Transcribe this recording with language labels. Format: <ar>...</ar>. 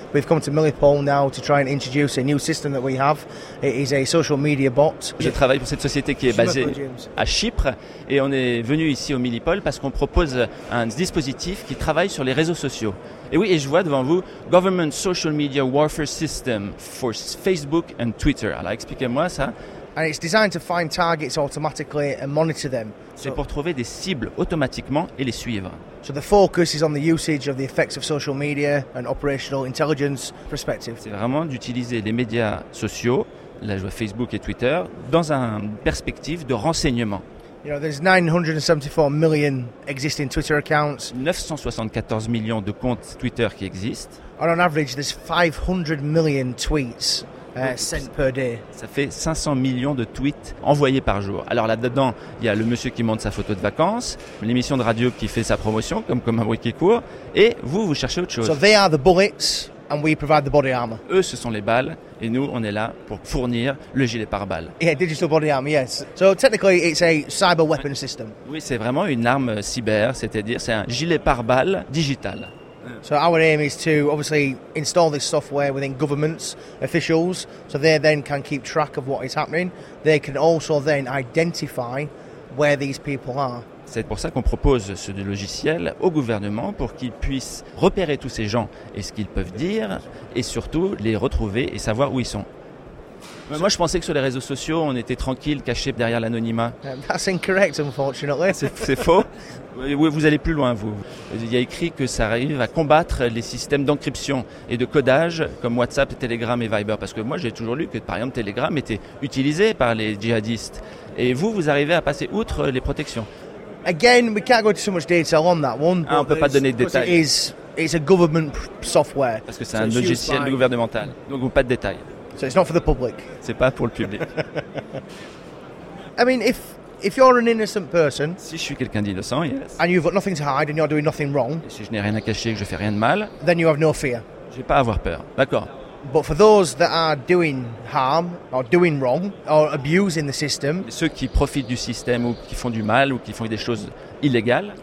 <en>We've come to Millipol now to try and introduce a new system that we have. It is a social media bot.</en> <fr>Je travaille pour cette société qui est basée à Chypre et on est venu ici au Millipol parce qu'on propose un dispositif qui travaille sur les réseaux sociaux. Et oui, et je vois devant vous</fr> <en>Government Social Media Warfare System for Facebook and Twitter.</en> <fr>Alors expliquez-moi ça.</fr> <en>And it's designed to find targets automatically and monitor them.</en> <fr>C'est pour trouver des cibles automatiquement et les suivre.</fr> <en>So the focus is on the usage of the effects of social media and operational intelligence perspective.</en> <fr>C'est vraiment d'utiliser les médias sociaux, là je vois Facebook et Twitter, dans une perspective de renseignement.</fr> <en>You know, there's 974 million existing Twitter accounts.</en> <fr>974 millions de comptes Twitter qui existent.</fr> <en>And on average, there's 500 million tweets. Sent per day.</en> <fr>Ça fait 500 millions de tweets envoyés par jour. Alors là-dedans, il y a le monsieur qui monte sa photo de vacances, l'émission de radio qui fait sa promotion, comme un bruit qui court, et vous, vous cherchez autre chose.</fr> <en>So they are the bullets, and we provide the body armor.</en> <fr>Eux, ce sont les balles, et nous, on est là pour fournir le gilet pare-balles.</fr> <en>Yeah, digital body armor, yes. So technically, it's a cyber weapon system.</en> <fr>Oui, c'est vraiment une arme cyber, c'est-à-dire c'est un gilet pare-balles digital.</fr> <en>So our aim is to obviously install this software within governments, officials, so they then can keep track of what is happening. They can also then identify where these people are.</en> <fr>C'est pour ça qu'on propose ce logiciel au gouvernement pour qu'ils puissent repérer tous ces gens et ce qu'ils peuvent dire et surtout les retrouver et savoir où ils sont. Moi, je pensais que sur les réseaux sociaux, on était tranquille, caché derrière l'anonymat.</fr> <en>That's incorrect, unfortunately.</en> <fr>C'est faux. Vous allez plus loin, vous. Il y a écrit que ça arrive à combattre les systèmes d'encryption et de codage comme WhatsApp, Telegram et Viber. Parce que moi, j'ai toujours lu que, par exemple, Telegram était utilisé par les djihadistes. Et vous, vous arrivez à passer outre les protections.</fr> <en>Again, we can't go into so much detail on that one.</en> <fr>Ah, on ne peut pas donner de détails.</fr> <en>It's a government software.</en> <fr>Parce que c'est un logiciel gouvernemental. Donc, pas de détails.</fr> <en>So it's not for the public.</en> <fr>C'est pas pour le public.</fr> <en>I mean, if you're an innocent person,</en> <fr>si je suis quelqu'un d'innocent,</fr> <en>yes, and you've got nothing to hide and you're doing nothing wrong,</en> <fr>et si je n'ai rien à cacher, que je fais rien de mal,</fr> <en>then you have no fear.</en> <fr>Je vais pas avoir peur, d'accord.</fr> <en>But for those that are doing harm or doing wrong or abusing the system,</en> <fr>et ceux qui profitent du système ou qui font du mal ou qui font des choses illégales,</fr>